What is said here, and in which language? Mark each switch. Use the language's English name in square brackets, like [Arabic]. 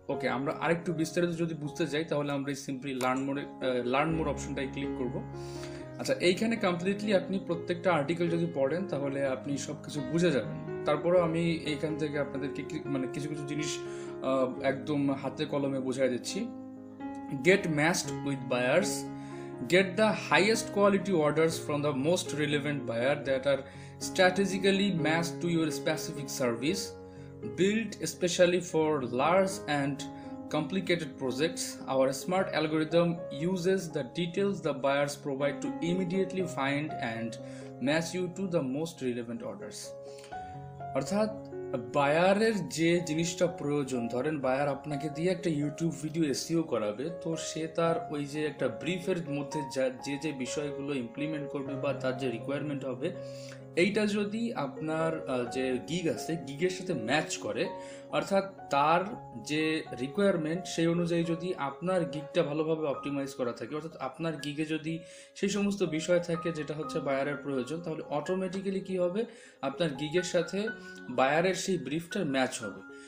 [Bangla] Okay, আমরা আরেকটু বিস্তারিত যদি বুঝতে যাই, তাহলে আমরা সিম্পলি লার্ন মোর অপশনটাই ক্লিক করব। আচ্ছা, এইখানে কমপ্লিটলি আপনি প্রত্যেকটা আর্টিকেল যদি পড়েন, তাহলে আপনি সব কিছু বুঝে যাবেন। তারপরে আমি এইখান থেকে আপনাদেরকে মানে কিছু কিছু জিনিস একদম হাতে কলমে বুঝাই দিচ্ছি। [English] Get matched with buyers. Get the highest quality orders from the most relevant buyer that are strategically matched to your specific service. Built especially for large and complicated projects, our smart algorithm uses the details the buyers provide to immediately find and match you to the most relevant orders. [Bangla] অর্থাৎ বায়ারের যে জিনিসটা প্রয়োজন, ধরেন buyer আপনাকে দিয়ে একটা YouTube video SEO করাবে, তো সে তার ওই যে একটা ব্রিফের মধ্যে যে যে বিষয়গুলো ইমপ্লিমেন্ট করবে বা তার যে রিকোয়ারমেন্ট হবে, এইটা যদি আপনার যে গিগ আছে গিগের সাথে ম্যাচ করে, অর্থাৎ তার যে রিকোয়ারমেন্ট সেই অনুযায়ী যদি আপনার গিগটা ভালোভাবে অপটিমাইজ করা থাকে, অর্থাৎ আপনার গিগে যদি সেই সমস্ত বিষয় থাকে যেটা হচ্ছে বায়ারের প্রয়োজন, তাহলে অটোমেটিক্যালি কী হবে, আপনার গিগের সাথে বায়ারের সেই ব্রিফটার ম্যাচ হবে।